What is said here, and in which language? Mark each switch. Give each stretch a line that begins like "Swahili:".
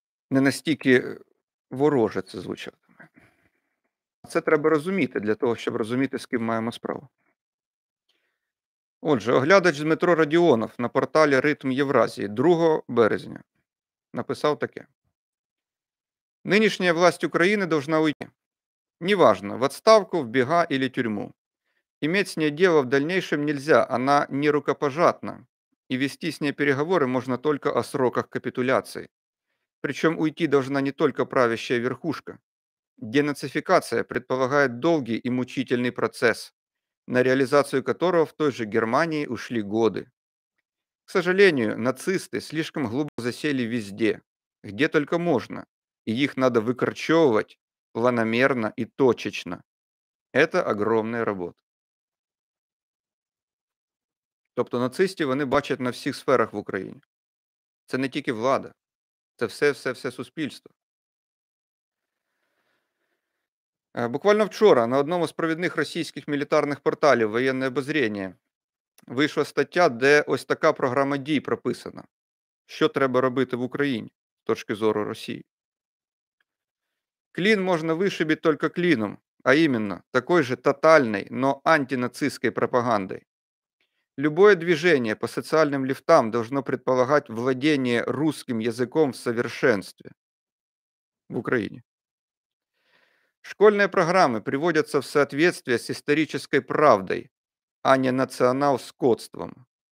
Ukrainian: Не настільки вороже це звучатиме. Це треба розуміти для того, щоб розуміти, з ким маємо справу. Отже, оглядач Дмитро Радіонов на порталі «Ритм Євразії» 2 березня написав таке. Нинішня власть України повинна уйти.
Russian: Неважно, в відставку, в біга или тюрьму. Иметь с ней дело в дальнейшем нельзя, она не рукопожатна, и вести с ней переговоры можно только о сроках капитуляции. Причем уйти должна не только правящая верхушка. Денацификация предполагает долгий и мучительный процесс, на реализацию которого в той же Германии ушли годы. К сожалению, нацисты слишком глубоко засели везде, где только можно, и их надо выкорчевывать планомерно и точечно. Это огромная работа.
Ukrainian: Тобто нацистів вони бачать на всіх сферах в Україні. Це не тільки влада, це все-все-все суспільство. Буквально вчора на одному з провідних російських мілітарних порталів «Воєнне обозріння» вийшла стаття, де ось така програма дій прописана. Що треба робити в Україні з точки зору Росії? Клін можна вишибити тільки кліном, а іменно такої ж тотальної, но антинацистської пропаганди.
Russian: Любое движение по социальным лифтам должно предполагать владение русским языком в совершенстве в Украине. Школьные программы приводятся в соответствие с исторической правдой, а не национал-скотством.